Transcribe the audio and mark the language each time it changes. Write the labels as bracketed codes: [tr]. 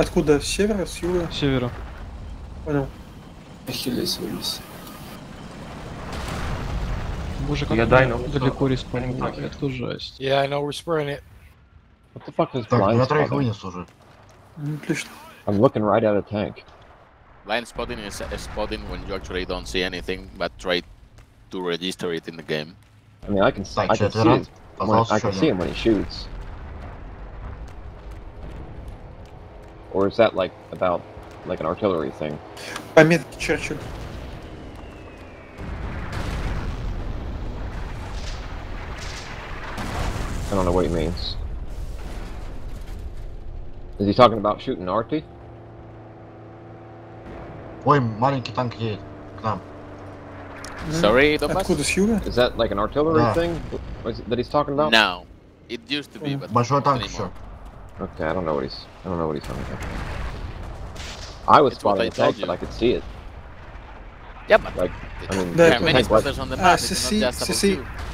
[ru] Откуда? С севера, с юга? С севера. Понял. Боже, как я дайно далеко респаунил, это жесть. [en] Yeah, I know we're spraying it. What the fuck is так, blind [ru] spot? Так, я троих вынес уже. Отлично. [en] I'm looking right at a tank. Blind spotting is spotting when you actually don't see anything, but try to register it in the game. I mean, I can, так, I can see it. I can see him when he shoots. Or is that like about like an artillery thing? [ru] Пометки черчу. [en] I don't know what he means. Is he talking about shooting Arty? [ru] Ой, маленький танк едет к нам. [en] Sorry, Thomas? [ru] Откуда с юга? [en] Is that like an artillery thing that he's talking about? No. It used to be, but... [ru] Большой танк еще. [en] Okay, I don't know what he's... I don't know what he's talking about. I was spotting the tank, but I could see it. Yep. Like, I mean... There are many spotters on the map, it's not just above you.